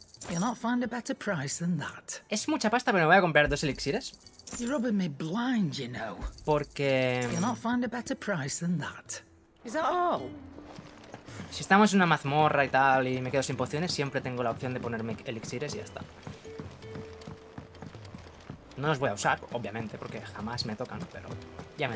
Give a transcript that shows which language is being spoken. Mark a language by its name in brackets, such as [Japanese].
[English] You'll not find a better price than that. [Spanish] Es mucha pasta, pero me voy a comprar dos elixires. [English] You're rubbing me blind, you know. [Spanish] Porque... [English] You'll not find a better price than that. Is that all? [Spanish] Si estamos en una mazmorra y tal y me quedo sin pociones, siempre tengo la opción de ponerme elixires y ya está. No los voy a usar, obviamente, porque jamás me tocan, pero ya me